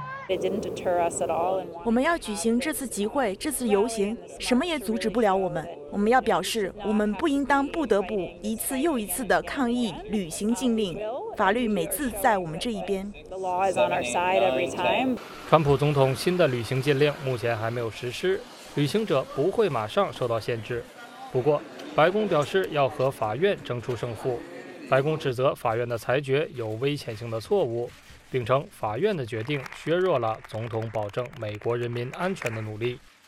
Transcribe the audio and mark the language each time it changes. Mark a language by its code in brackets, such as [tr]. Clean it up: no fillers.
[en] It didn't deter us at all. [zh] 我们要举行这次集会，这次游行，什么也阻止不了我们。我们要表示，我们不应当不得不一次又一次的抗议旅行禁令。法律每次在我们这一边。 [en] The law is on our side every time. [zh] 川普总统新的旅行禁令目前还没有实施，旅行者不会马上受到限制。不过，白宫表示要和法院争出胜负。白宫指责法院的裁决有危险性的错误，并称法院的决定削弱了总统保证美国人民安全的努力。